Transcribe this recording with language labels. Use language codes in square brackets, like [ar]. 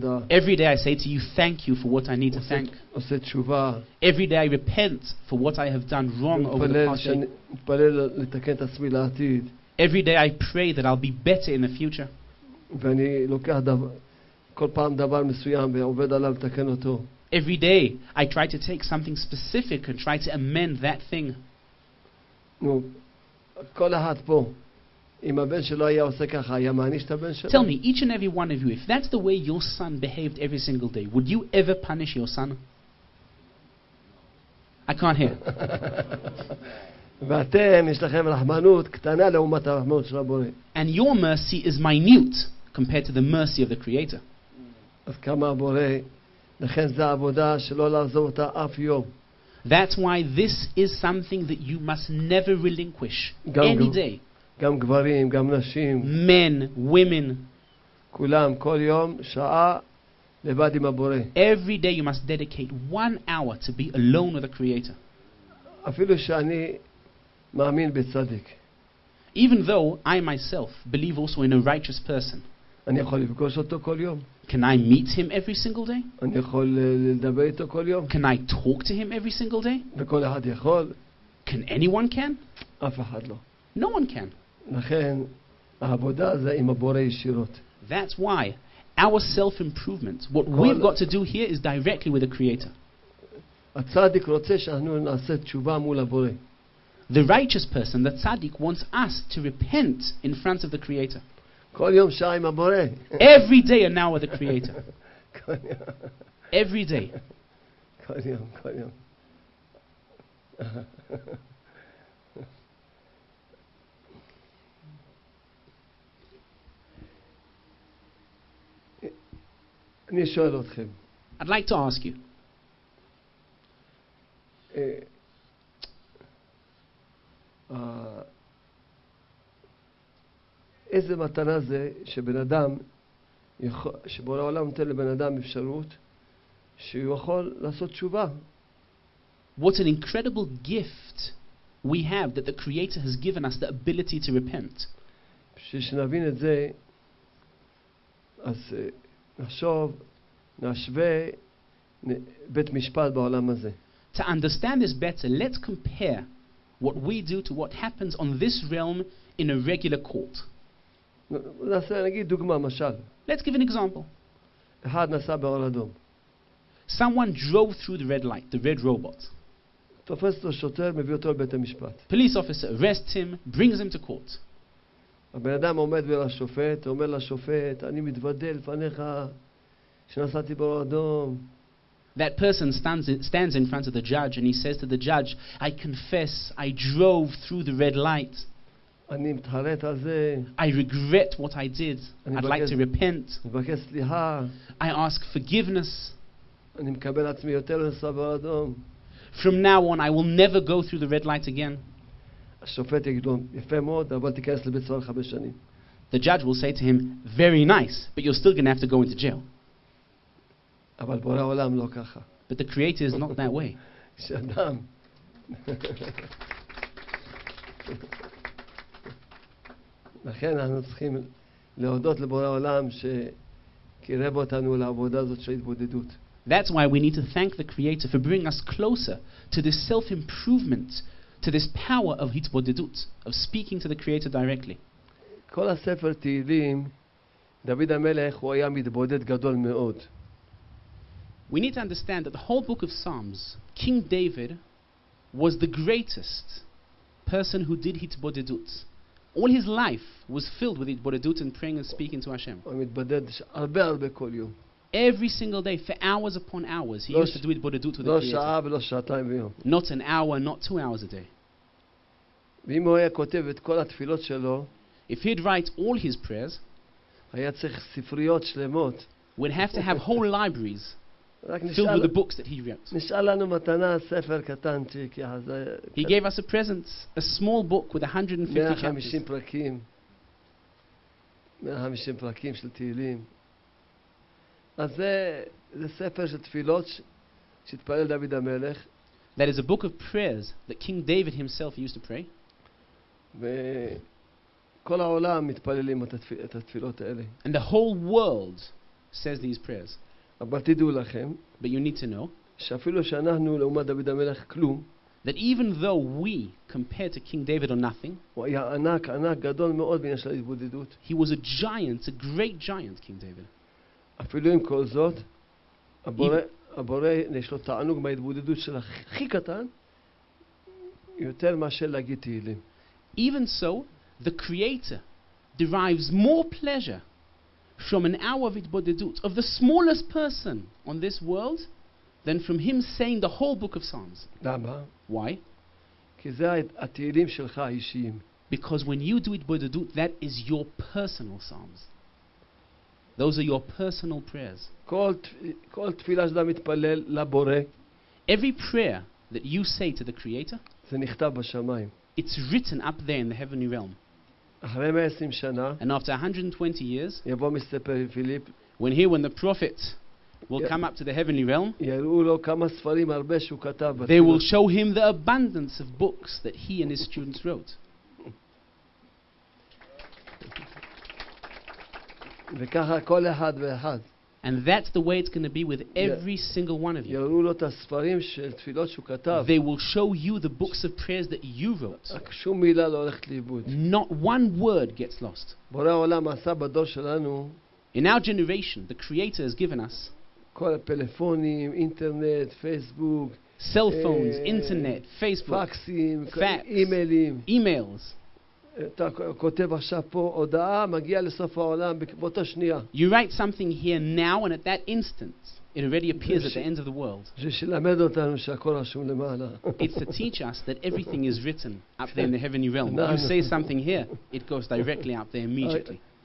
[en] Every day I say to you, thank you for what I need to thank. Every day I repent for what I have done wrong over the past year. Every day I pray that I'll be better in the future. [he] ואני לוקח כל פעם דבר מסוים ועובד עליו לתקן אותו. [en] Every day I try to take something specific and try to amend that thing. [he] כל אחד פה, אם הבן שלו היה עושה ככה, היה מעניש את הבן שלו? [en] Tell me, each and every one of you, if that's the way your son behaved every single day, would you ever punish your son? I can't hear. [he] ואתם יש לכם רחמנות קטנה לעומת הרחמנות של הבורא. [en] And your mercy is minute compared to the mercy of the Creator. [he] אז כמה הבורא, לכן זה עבודה שלא לעזוב אותה אף יום. [en] That's why this is something that you must never relinquish any day. [he] גם גברים, גם נשים. [en] Men, women. [he] כולם, כל יום, שעה, לבד עם הבורא. [en] Every day you must dedicate 1 hour to be alone with the Creator. [he] אפילו שאני מאמין בצדיק. [en] Even though I myself believe also in a righteous person. [he] אני יכול לפגוש אותו כל יום. [en] Can I meet him every single day? [he] אני יכול לדבר איתו כל יום. [en] Can I talk to him every single day? [he] וכל אחד יכול. [en] Can anyone can? [he] אף אחד לא. [en] No one can. [he] לכן העבודה זה עם הבורא ישירות. [en] That's why our self-improvement, what we've got to do here is directly with the Creator. [he] הצדיק רוצה שאנחנו נעשה תשובה מול הבורא. [en] The righteous person, the tzaddik, wants us to repent in front of the Creator. [he] כל יום שעה עם הבורא. [en] Every day an hour with the Creator. Every day. [he] כל יום, כל יום. אני שואל אתכם. [en] I'd like to ask you. [he] איזה מתנה זה שבן אדם שבורא העולם נותן לבן אדם אפשרות שהוא יכול לעשות תשובה? [en] What an incredible gift we have that the Creator has given us the ability to repent. [he] שנבין את זה, אז נחשוב, נשווה בית משפט בעולם הזה. [en] To understand this better, let's compare what we do to what happens on this realm in a regular court. [he] נגיד דוגמה, משל. [en] Let's give an example. [he] אחד נסע באור אדום. [en] Someone drove through the red light, the red robot. [he] תופס אותו שוטר, מביא אותו לבית המשפט. [en] Police officer arrests him, brings him to court. [he] הבן אדם עומד בין השופט, אומר לשופט, אני מתוודה לפניך שנסעתי באור אדום. [en] That person stands in front of the judge and he says to the judge, I confess, I drove through the red light. [he] אני מתחרט על זה. [en] I regret what I did. I'd like to repent. [he] אני מבקש סליחה. [en] I ask forgiveness. [he] אני מקבל עצמי יותר לנסוע באור אדום. [en] From now on, I will never go through the red light again. [he] השופט יגיד לו, יפה מאוד, אבל תיכנס לבית סוהר 5 שנים. [en] The judge will say to him, very nice, but you're still going to have to go into jail. [he] אבל בורא העולם לא ככה. [en] But the Creator is not that way. [he] שאדם. לכן אנחנו צריכים להודות לבורא העולם שקירב אותנו לעבודה הזאת של התבודדות. [en] That's why we need to thank the Creator for bringing us closer to this self-improvement, to this power of Hitbodedut, of speaking to the Creator directly. [he] כל הספר תהילים, דוד המלך הוא היה מתבודד גדול מאוד. [en] We need to understand that the whole book of Psalms, King David was the greatest person who did Hitbodedut. All his life was filled with Hitbodedut and praying and speaking to Hashem. [he] הוא מתבודד הרבה הרבה כל יום. [en] Every single day, for hours upon hours, he used to do it with the Creator. Not an hour, not 2 hours a day. If he'd write all his prayers, we'd have to have whole libraries filled with the books that he wrote. He gave us a present, a small book with 150 chapters. [he] 150 פרקים של תהילים. אז זה ספר של תפילות שהתפלל דוד המלך. [en] That is a book of prayers that King David himself used to pray. [he] וכל העולם מתפללים את התפילות האלה. [en] And the whole world says these prayers. [he] אבל תדעו לכם, [en] but you need to know, [he] שאפילו שאנחנו לעומת דוד המלך כלום, [en] that even though we compare to King David or nothing, [he] הוא היה ענק, ענק גדול מאוד בעניין של ההתבודדות. [en] He was a giant, a great giant, King David. [he] אפילו עם כל זאת, הבורא יש לו תענוג מההתבודדות של הכי קטן, יותר מאשר להגיד תהילים. [en] Even so, the Creator derives more pleasure from an hour of התבודדות of the smallest person on this world than from him saying the whole book of Psalms. [he] למה? [en] Why? [he] כי זה התהילים שלך האישיים. [en] Because when you do התבודדות, that is your personal Psalms. Those are your personal prayers. [he] כל תפילה שאתה מתפלל לבורא. [en] Every prayer that you say to the Creator, [he] זה נכתב בשמיים. [en] It's written up there in the heavenly realm. [he] אחרי 120 שנה, [en] and after 120 years, [he] יבוא מספר פיליפ, [en] when the prophet will come up to the heavenly realm, [he] יראו לו כמה ספרים הרבה שהוא כתב. [en] They will show him the abundance of books that he and his students wrote. [he] וככה כל אחד ואחד. [en] And that's the way it's going to be with every single one of you. [he] יראו לו את הספרים של תפילות שהוא כתב. [en] They will show you the books of prayers that you wrote. [he] שום מילה לא הולכת לאיבוד. [en] Not one word gets lost. [he] בורא העולם עשה בדור שלנו. [en] In our generation, the Creator has given us [he] כל הפלאפונים, אינטרנט, פייסבוק, [en] cell phones, אינטרנט, פייסבוק, [he] פקסים, אימיילים, [en] emails. [he] אתה כותב עכשיו פה הודעה, מגיע לסוף העולם באותה שנייה. [en] You write something here now and at that instant it already appears at the end of the world. [he] זה שלמד אותנו שהכל רשום למעלה. [en] It's to teach us that everything is written up there in the heavenly realm. You say something here, it goes directly up there immediately.